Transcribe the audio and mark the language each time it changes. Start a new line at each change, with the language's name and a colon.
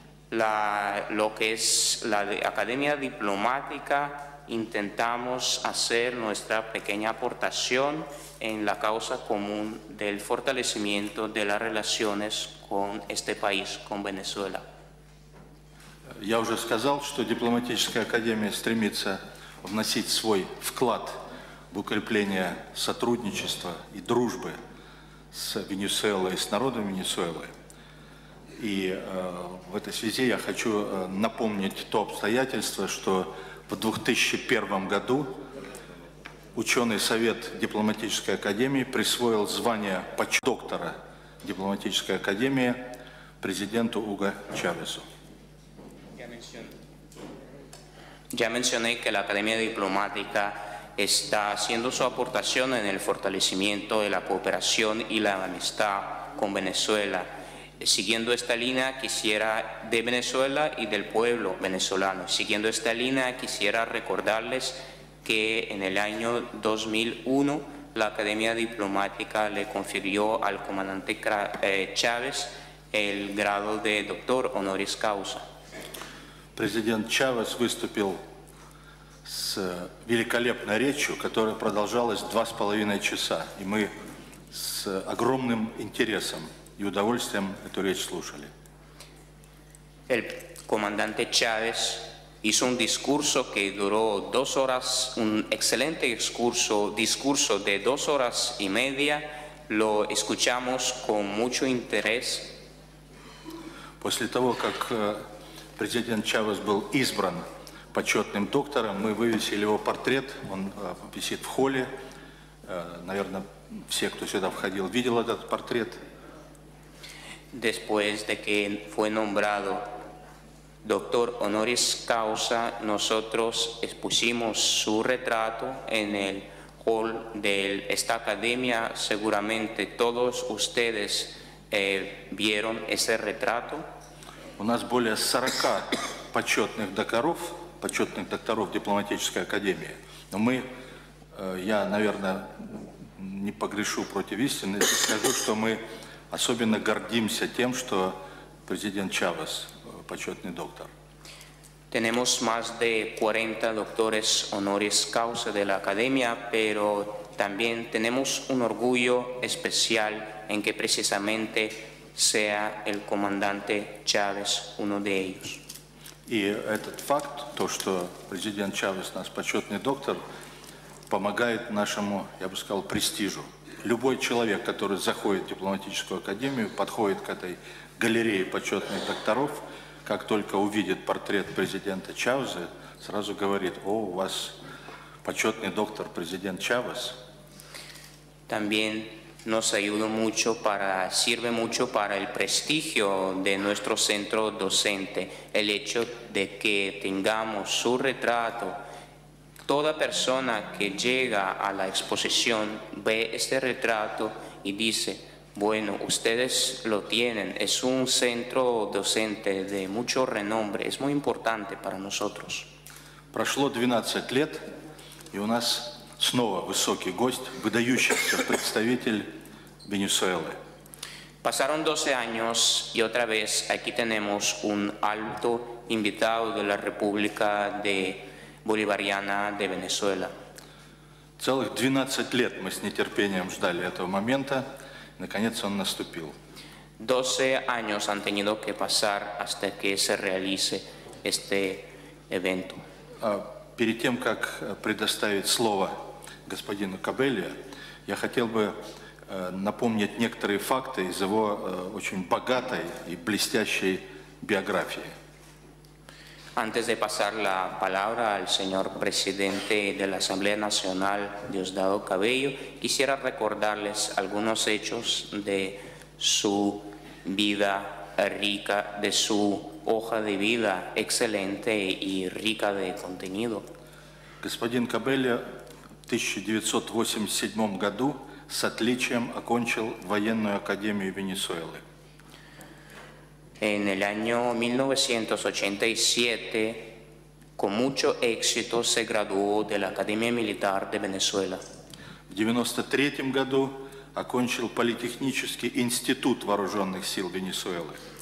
Spanish: Lo que es la Academia Diplomática, intentamos hacer nuestra pequeña aportación en la causa común del fortalecimiento de las relaciones con este país, con Venezuela.
Russian: Я уже сказал, что Дипломатическая академия стремится вносить свой вклад в укрепление сотрудничества и дружбы с Венесуэлой, с народом Венесуэлы. И в этой связи я хочу напомнить то обстоятельство, что в 2001 году ученый совет Дипломатической академии присвоил звание почет-доктора Дипломатической академии президенту Уго Чавесу.
Spanish: Ya mencioné que la Academia Diplomática está haciendo su aportación en el fortalecimiento de la cooperación y la amistad con Venezuela. Siguiendo esta línea, quisiera de Venezuela y del pueblo venezolano. Siguiendo esta línea, quisiera recordarles que en el año 2001 la Academia Diplomática le confirió al comandante Chávez el grado de doctor honoris causa.
Russian: Президент Чавес выступил с великолепной речью, которая продолжалась 2,5 часа. И мы с огромным интересом и удовольствием эту речь слушали.
Spanish: El comandante Chávez hizo un discurso que duró 2 horas, un excelente discurso, discurso de 2 horas y media. Lo escuchamos con mucho interés.
Russian: После того, как президент Чавес был избран почетным доктором, мы вывесили его портрет, он висит в холле. Наверное, все, кто сюда входил, видел этот портрет.
Spanish: Después de que fue nombrado doctor honoris causa, nosotros expusimos su retrato en el hall de esta academia. Seguramente todos ustedes vieron ese retrato.
Russian: У нас более 40 почетных докторов Дипломатической академии. Но мы, я, наверное, не погрешу против истины, скажу, что мы особенно гордимся тем, что президент Чавес почетный доктор.
Spanish: Tenemos más de 40 doctores honoris causa de la academia, pero también tenemos un orgullo especial en que precisamente sea el comandante Chávez uno de ellos.
Russian: И этот факт, то, что президент Чавес наш почетный доктор, помогает нашему, я бы сказал, престижу, любой человек, который заходит в дипломатическую академию, подходит к этой галерее почетных докторов, как только увидит портрет президента Чавеса, сразу говорит: «О, у вас почетный доктор президент Чавес».
Spanish: También nos ayuda mucho para, sirve mucho para el prestigio de nuestro centro docente, el hecho de que tengamos su retrato. Toda persona que llega a la exposición ve este retrato y dice: bueno, ustedes lo tienen, es un centro docente de mucho renombre, es muy importante para nosotros.
Russian: Прошло 12 лет, и у нас снова высокий гость, выдающийся представитель Венесуэлы.
Spanish: Pasaron 12 años y otra vez aquí tenemos un alto invitado de la República de Bolivariana de Venezuela.
Russian: Целых 12 лет мы с нетерпением ждали этого момента. Наконец он наступил.
Spanish: 12 años han tenido que pasar hasta que se realice este evento.
Russian: Перед тем, как предоставить слово господину Кабелия, я хотел бы напомнить некоторые факты из его очень богатой и блестящей биографии.
Spanish: Antes de pasar la palabra al señor presidente de la Asamblea Nacional, Diosdado Cabello, quisiera recordarles algunos hechos de su vida rica, de su hoja de vida excelente y rica de contenido.
Russian: Господин Кабелия в 1987 году с отличием окончил военную академию Венесуэлы.
Spanish: En el año 1987, con mucho éxito, se graduó de la Academia Militar de Venezuela.
Russian: В 1993 году окончил Политехнический институт вооруженных сил Венесуэлы.